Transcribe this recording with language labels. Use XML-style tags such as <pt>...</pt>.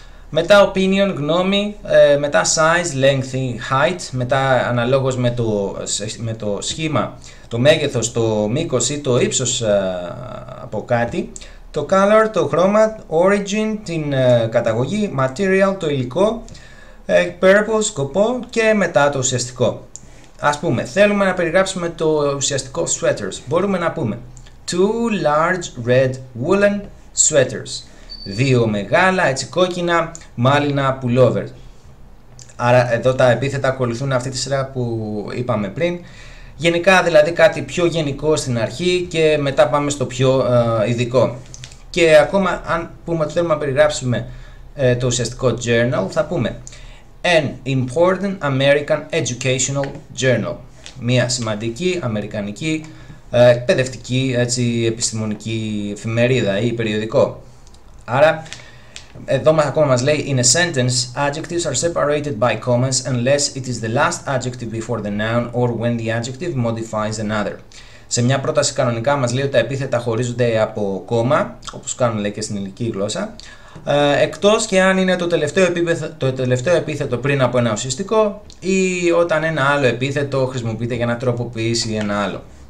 <el>Μετά opinion, γνώμη, μετά size, length, height, μετά αναλόγως με το σχήμα, το μέγεθος, το μήκος ή το ύψος από κάτι, το color, το χρώμα, origin, την καταγωγή, material, το υλικό, purpose, σκοπό και μετά το ουσιαστικό. Ας πούμε, θέλουμε να περιγράψουμε το ουσιαστικό sweaters. Μπορούμε να πούμε</el> <en>two large red woolen sweaters.</en> <el>Δύο μεγάλα, έτσι κόκκινα, μάλινα pullover. Άρα εδώ τα επίθετα ακολουθούν αυτή τη σειρά που είπαμε πριν. Γενικά δηλαδή κάτι πιο γενικό στην αρχή και μετά πάμε στο πιο ειδικό. Και ακόμα αν πούμε ότι θέλουμε να περιγράψουμε το ουσιαστικό journal, θα πούμε</el> <en>An important American educational journal.</en> <el>Μια σημαντική αμερικανική εκπαιδευτική έτσι, επιστημονική εφημερίδα ή περιοδικό. Άρα, εδώ ακόμα μας λέει,</el> <en>in a sentence, adjectives are separated by commas unless it is the last adjective before the noun or when the adjective modifies another.</en> <el>Σε μια πρόταση κανονικά μας λέει ότι τα επίθετα χωρίζονται από κόμμα, όπως κάνουν λέει και στην ελληνική γλώσσα, εκτός και αν είναι το τελευταίο επίθετο πριν από ένα ουσιαστικό ή όταν ένα άλλο επίθετο χρησιμοποιείται για να τροποποιήσει ένα άλλο.</el>